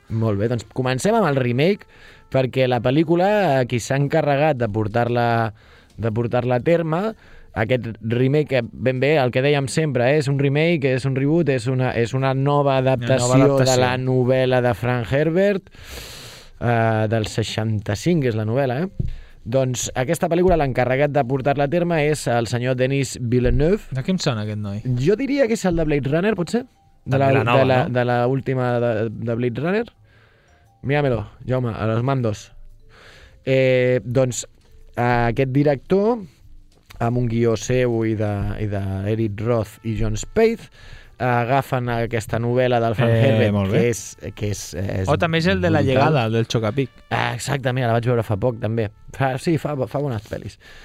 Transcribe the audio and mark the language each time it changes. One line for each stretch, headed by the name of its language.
Catalan: Molt bé, doncs comencem amb el remake, perquè la pel·lícula, qui s'ha encarregat de portar-la a terme, aquest remake, ben bé, el que dèiem sempre, és un remake, és un reboot, és una nova adaptació de la novel·la de Frank Herbert, del 65 és la novel·la, Doncs aquesta pel·lícula, l'encarregat de portar-la a terme és el senyor Denis Villeneuve. De què em sona aquest noi? Jo diria que és el de Blade Runner, potser? De la última de Blade Runner.
Spanish: Míramelo, Jaume, a los mandos.
Catalan: Aquest director, amb un guió seu i de Eric Roth i John Spaeth, agafen aquesta novel·la del Frank Herbert, que és també és el de La Llegada, el del Chocapic. Exactament, la vaig veure fa poc també. Fa bones pel·lis.